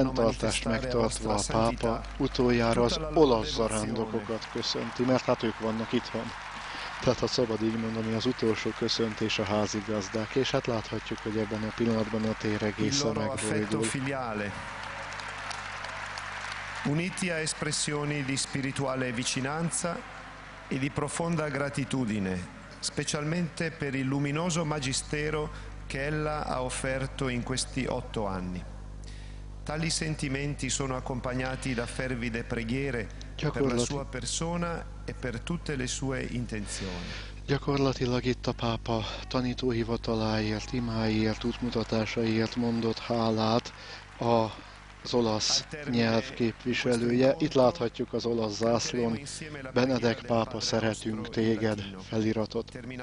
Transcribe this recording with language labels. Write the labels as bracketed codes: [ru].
[hu] a rendtartást megtartva a pápa utoljára az olasz zarándokokat köszönti, mert hát ők vannak itthon. Tehát ha szabad így mondani, az utolsó köszöntés a házigazdák, és hát láthatjuk, hogy ebben a pillanatban a tér egészen megbolygul. [it] Uniti a espressioni di spirituale vicinanza e di profonda gratitudine, specialmente per il luminoso magistero che ella ha offerto in questi 8 anni. Tali sentimenti sono accompagnati da fervide preghiere per la sua persona e per tutte le sue intenzioni. [hu] Gyakorlatilag itt a pápa tanítóhivataláért, imáiért, útmutatásaiért mondott hálát az olasz nyelv képviselője. Itt láthatjuk az olasz zászlón Benedek pápa, szeretünk téged feliratot.